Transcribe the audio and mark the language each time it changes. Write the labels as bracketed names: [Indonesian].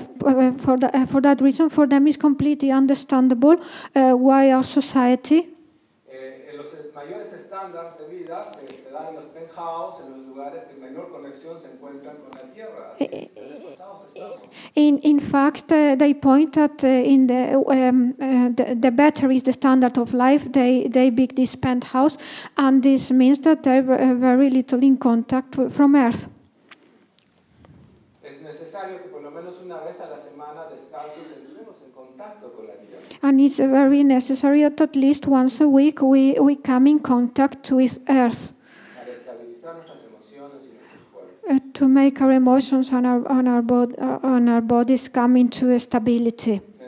[English] For that reason, for them, it's completely understandable why our society. [Spanish] En los mayores estándares de vida se dan en los penthouses, en los lugares que menor conexión se encuentran con la tierra. [English] In fact, they point that in the better is the standard of life, they build this penthouse, and this means that they're very little in contact from Earth. [Spanish] Es necesario. necesario que por lo menos una vez a la semana descansemos y entremos en contacto con la tierra. [English] And it's very necessary that at least once a week we come in contact with earth. [Spanish] Para estabilizar nuestras emociones y [English] to make our emotions and our bodies come into stability.